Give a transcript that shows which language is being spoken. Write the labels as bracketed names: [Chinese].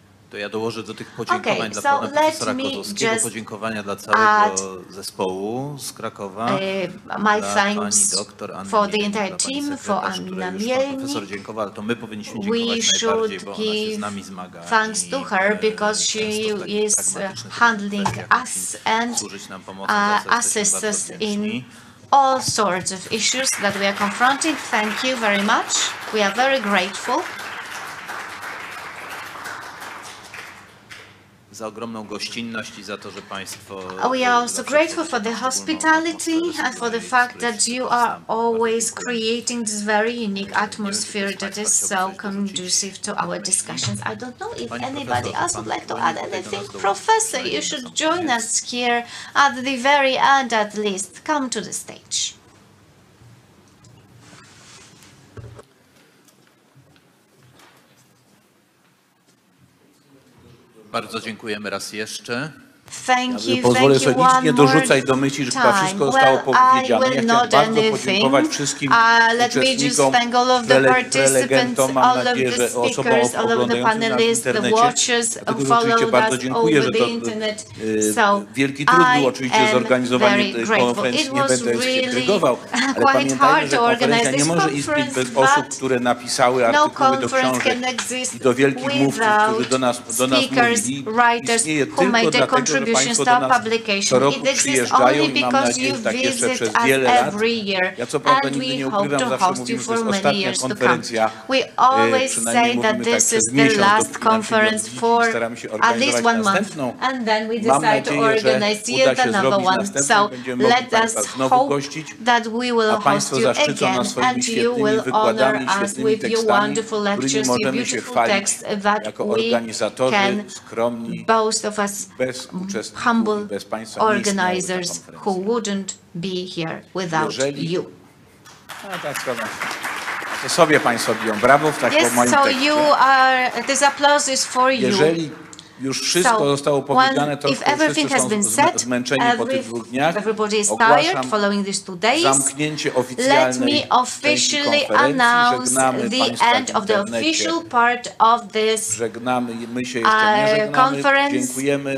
[Polish] To ja dołożę do tych podziękowań dla pana profesora Kozłowskiego, podziękowania dla całego zespołu z Krakowa, [English] my thanks [Polish] pani doktor Anny [English] for the entire Mielnik, team, for Anna Mielnik. [Polish] Profesor dziękował, ale to my powinniśmy dziękować [English] we [Polish] najbardziej, bo ona się z nami zmaga. [English] Thanks to her, because she is handling us and assists us in all sorts of issues that we are confronting. Thank you very much. We are very grateful. [Polish] Za ogromną gościnność i za to, że państwo. [English] We are also grateful for the hospitality and for the fact that you are always creating this very unique atmosphere that is so conducive to our discussions. I don't know if anybody else would like to add anything. Professor, you should join us here at the very end, at least. Come to the stage. [Polish] Bardzo dziękujemy raz jeszcze. [English] Thank you, [Polish] ja pozwolę [English] thank [Polish] sobie [English] you [Polish] nic nie dorzucać do myśli, że wszystko zostało powiedziane. Ja chciałem bardzo podziękować wszystkim uczestnikom, prelegentom, mam nadzieję, że osobom oglądającym nas w internecie. Oczywiście bardzo dziękuję, że to wielki trud był oczywiście zorganizowanie tej konferencji. Nie będę się intrygował, ale pamiętajmy, że konferencja nie może istnieć bez osób, które napisały artykuły do książek i do wielkich mówców, którzy do nas mówili. Istnieje tylko dlatego, [English] contributions to publication. It exists only because you visit us every year, and we hope to host you for many years to come. We always say that this is the last conference for at least 1 month, and then we decide to organize yet another one. So let us hope that we will host you again, and you will honor us with your wonderful lectures, your beautiful texts that we can boast of us humble organizers who wouldn't be here without you. [Polish] To sobie państwo biją. Brawo w takim moim tekście. [English] Yes, so you are, this applause is for you. [Polish] Jeżeli już wszystko zostało powiedziane, to wszyscy są zmęczeni po tych dwóch dniach, ogłaszam zamknięcie oficjalnej części konferencji. Żegnamy państwa w internecie. Żegnamy, my się jeszcze nie żegnamy. Dziękujemy.